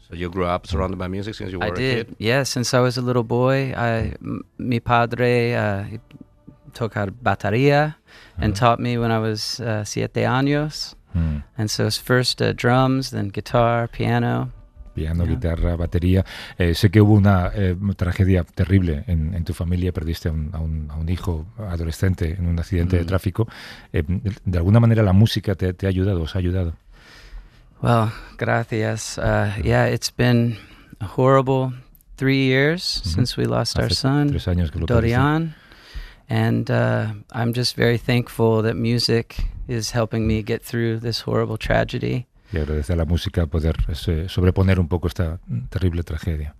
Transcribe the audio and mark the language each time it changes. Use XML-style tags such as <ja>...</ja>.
<en>So you grew up surrounded by music since you were a kid? I did, yeah, since I was a little boy.</en> <es>Mi padre tocar batería</es> <en>and taught me when I was 7 años. And so it's first drums, then guitar, piano.</en> <es>Piano, guitarra, batería. Sé que hubo una tragedia terrible en tu familia. Perdiste a un hijo adolescente en un accidente de tráfico. ¿De alguna manera la música te ha ayudado, os ha ayudado?</es> <en>Well,</en> <es>gracias.</es> <en>Yeah, it's been a horrible 3 years since we lost our son, Dorian. And I'm just very thankful that music is helping me get through this horrible tragedy.</en> <es>Y agradecer a la música poder sobreponer un poco esta terrible tragedia.</es>